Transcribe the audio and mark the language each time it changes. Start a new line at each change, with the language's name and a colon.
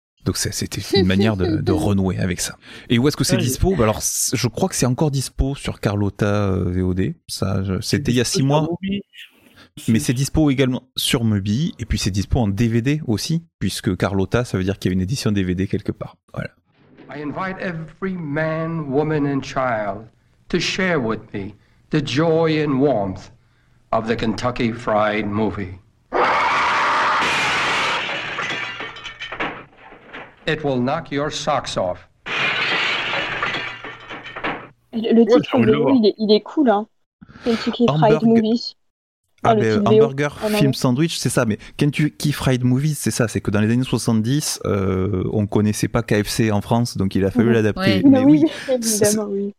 French: Donc c'était une manière de renouer avec ça. Et où est-ce que c'est dispo? Ben alors, je crois que c'est encore dispo sur Carlotta VOD. C'était il y a 6 mois. Mais c'est dispo également sur Mubi, et puis c'est dispo en DVD aussi, puisque Carlotta, ça veut dire qu'il y a une édition DVD quelque part. Voilà.
English: I invite every man, woman and child to share with me the joy and warmth of the Kentucky Fried movie. It will knock your socks off.
French: Le titre, il est cool, hein. Fried Movies. Ah, mais Hamburger Film Sandwich, c'est ça. Mais Kentucky Fried Movies, c'est ça. C'est que dans les années 70, on connaissait pas KFC en France, donc il a fallu l'adapter. Ouais. Mais oui, évidemment,